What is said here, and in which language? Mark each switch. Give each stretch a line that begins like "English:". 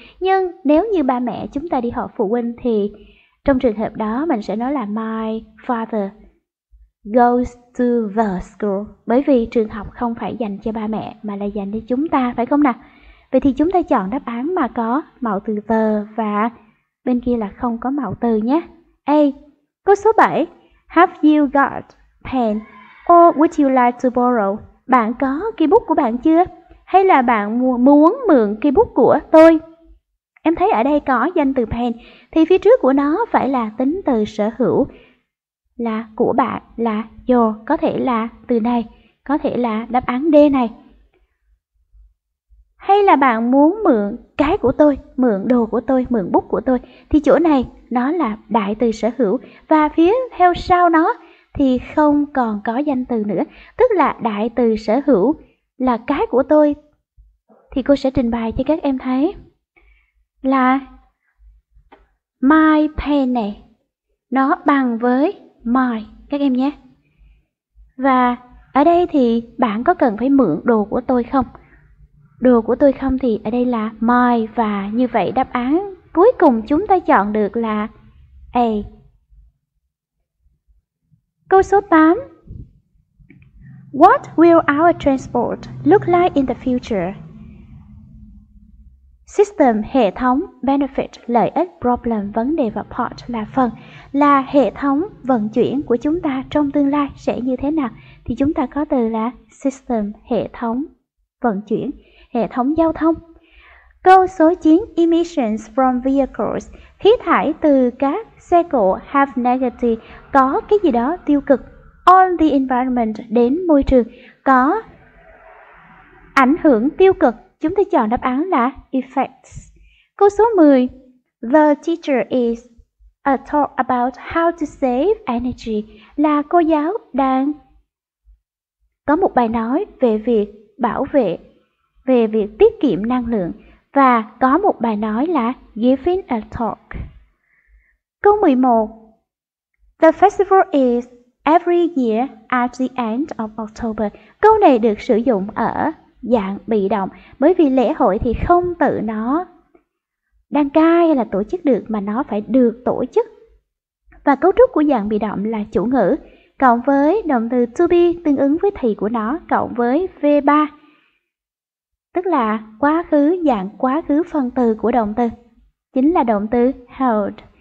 Vietnamese: Nhưng nếu như ba mẹ chúng ta đi học, phụ huynh, thì trong trường hợp đó mình sẽ nói là
English: my father goes to the school.
Vietnamese: Bởi vì trường học không phải dành cho ba mẹ mà là dành cho chúng ta, phải không nào? Vậy thì chúng ta chọn đáp án mà có mạo từ the và bên kia là không có mạo từ nhé. A. Câu số 7,
English: have you got pen or would you like to borrow?
Vietnamese: Bạn có cây bút của bạn chưa? Hay là bạn muốn mượn cây bút của tôi? Em thấy ở đây có danh từ pen thì phía trước của nó phải là tính từ sở hữu, là của bạn, là your, có thể là từ này, có thể là đáp án D này. Hay là bạn muốn mượn cái của tôi, mượn đồ của tôi, mượn bút của tôi, thì chỗ này nó là đại từ sở hữu và phía theo sau nó thì không còn có danh từ nữa, tức là đại từ sở hữu là cái của tôi. Thì cô sẽ trình bày cho các em thấy là my pen này nó bằng với my các em nhé. Và ở đây thì bạn có cần phải mượn đồ của tôi không? Đồ của tôi không thì ở đây là my, và như vậy đáp án cuối cùng chúng ta chọn được là A. Câu số 8,
English: what will our transport look like in the future?
Vietnamese: System, hệ thống, benefit, lợi ích, problem, vấn đề và part là phần, là hệ thống vận chuyển của chúng ta trong tương lai sẽ như thế nào? Thì chúng ta có từ là system, hệ thống vận chuyển, hệ thống giao thông. Câu số 9,
English: emissions from vehicles,
Vietnamese: khí thải từ các xe cộ
English: have negative,
Vietnamese: có cái gì đó tiêu cực,
English: on the environment,
Vietnamese: đến môi trường, có ảnh hưởng tiêu cực Chúng ta chọn đáp án là effects. Câu số 10.
English: The teacher is a talk about how to save energy.
Vietnamese: Là cô giáo đang có một bài nói về việc bảo vệ, về việc tiết kiệm năng lượng. Và có một bài nói là
English: giving a talk.
Vietnamese: Câu 11.
English: The festival is every year at the end of October.
Vietnamese: Câu này được sử dụng ở dạng bị động, bởi vì lễ hội thì không tự nó đăng cai hay là tổ chức được, mà nó phải được tổ chức. Và cấu trúc của dạng bị động là chủ ngữ cộng với động từ to be tương ứng với thì của nó cộng với V3, tức là quá khứ, dạng quá khứ phân từ của động từ chính là động từ held.